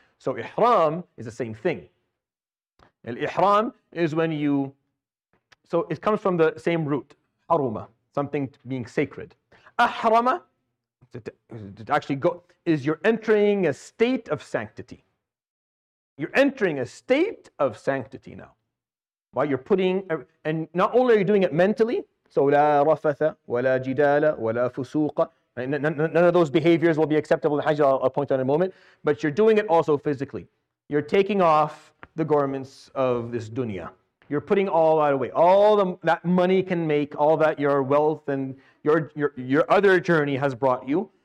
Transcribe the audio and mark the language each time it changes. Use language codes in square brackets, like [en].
[en] So ihram is the same thing. Al-ihram is when you, so it comes from the same root, haruma, something being sacred. Ahrama, to actually go, is you're entering a state of sanctity. You're entering a state of sanctity now. While you're putting, and not only are you doing it mentally, [ar] So لا رفث ولا جدال ولا فسوق. [en] None of those behaviors will be acceptable in Hajj. I'll point out in a moment. But you're doing it also physically. You're taking off the garments of this dunya. You're putting all that away. All that money can make, all that your wealth and your other journey has brought you.